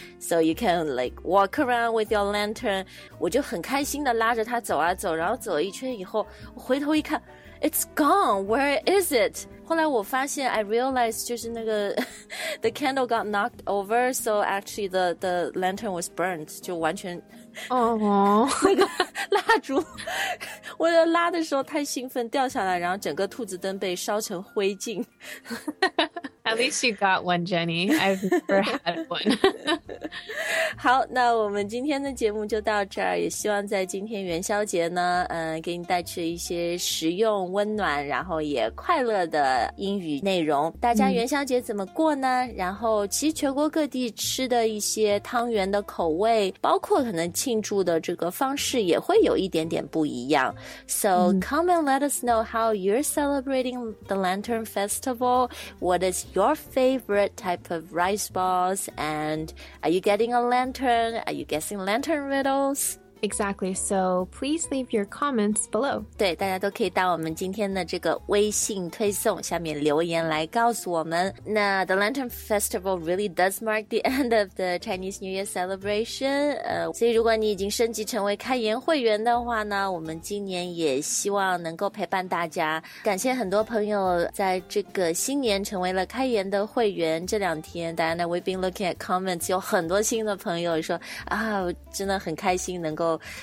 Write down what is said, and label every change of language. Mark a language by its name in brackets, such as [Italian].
[English] So you can like walk around with your lantern. [Chinese] 我就很开心的拉着它走啊走。然后走了一圈以后回头一看 [English] It's gone. Where is it? [Chinese] 后来我发现 [English] I realized [Chinese] 就是那个 [English] the candle got knocked over, so actually the lantern was burnt, [Chinese] 就完全哦、那个蜡烛我在拉的时候太兴奋掉下来然后整个兔子灯被烧成灰烬。 [English] At least you got one, Jenny. I've never had one. [Chinese] 好那我们今天的节目就到这儿也希望在今天元宵节呢给你带去一些实用温暖然后也快乐的英语内容。大家元宵节怎么过呢、嗯、然后其实全国各地吃的一些汤圆的口味包括可能庆祝的这个方式也会有一点点不一样。 [English] So、嗯、come and let us know how you're celebrating the Lantern Festival. What is your favorite type of rice balls? And are you getting a lantern? Are you guessing lantern riddles? Exactly. So please leave your comments below. [Chinese] 对，大家都可以到我们今天的这个微信推送下面留言来告诉我们。 [English] 那 the Lantern Festival really does mark the end of the Chinese New Year celebration. [Chinese] 所以如果你已经升级成为开言会员的话呢，我们今年也希望能够陪伴大家。感谢很多朋友在这个新年成为了开言的会员。这两天 [English] ，Diana, we've been looking at comments. [Chinese] 有很多新的朋友说啊，真的很开心能够。